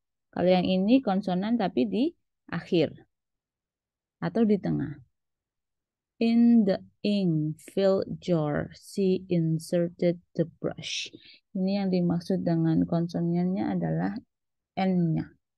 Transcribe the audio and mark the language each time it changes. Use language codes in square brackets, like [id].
[id] Kalau yang ini konsonan tapi di akhir atau di tengah. [en] In the ink filled jar, she inserted the brush. [id] Ini yang dimaksud dengan konsonannya adalah N-nya.